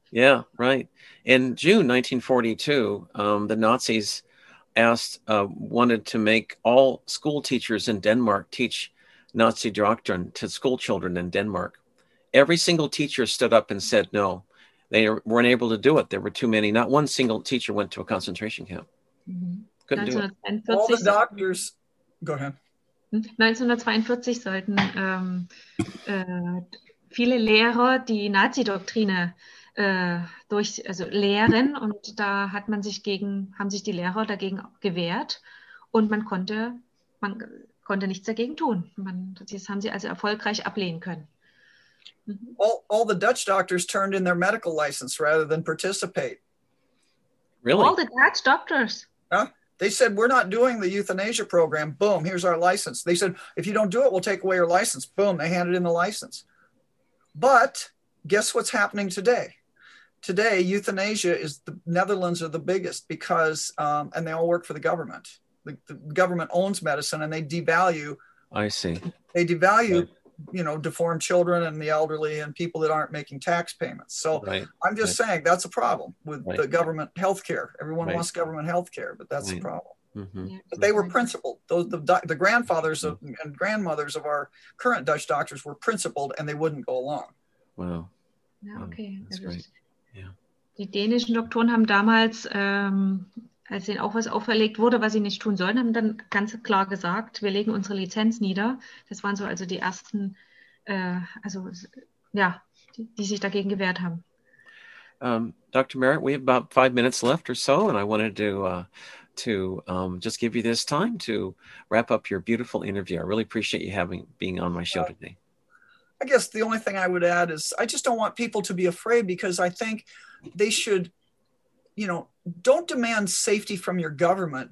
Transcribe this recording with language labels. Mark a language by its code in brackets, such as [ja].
[en] Yeah, right. In June 1942, the Nazis wanted to make all school teachers in Denmark teach Nazi doctrine to school children in Denmark. Every single teacher stood up and said no. They weren't able to do it. There were too many. Not one single teacher went to a concentration camp. Couldn't do it. All the doctors... Go ahead. [de] 1942 sollten viele Lehrer die Nazi-Doktrine lehren und da hat man sich gegen, haben sich die Lehrer dagegen gewehrt und man konnte nichts dagegen tun. Das haben sie also erfolgreich ablehnen können. [en] All the Dutch doctors turned in their medical license rather than participate. Really? All the Dutch doctors? Huh? They said, we're not doing the euthanasia program. Boom, here's our license. They said, if you don't do it, we'll take away your license. Boom, they handed in the license. But guess what's happening today? Today, euthanasia is the Netherlands are the biggest because, and they all work for the government. The government owns medicine and they devalue. I see. They devalue, you know, deformed children and the elderly and people that aren't making tax payments. So I'm just saying that's a problem with the government healthcare. Everyone wants government healthcare, but that's a problem. But they were principled. The grandfathers and grandmothers of our current Dutch doctors were principled and they wouldn't go along. Wow. Yeah, okay. That's great. [de] Die dänischen Doktoren haben damals, als ihnen auch was auferlegt wurde, was sie nicht tun sollen, haben dann ganz klar gesagt, wir legen unsere Lizenz nieder. Das waren so also die ersten, die sich dagegen gewehrt haben. [en] Dr. Merritt, we have about 5 minutes left or so, and I wanted to just give you this time to wrap up your beautiful interview. I really appreciate you being on my show today. I guess the only thing I would add is I just don't want people to be afraid because I think they should, you know, don't demand safety from your government.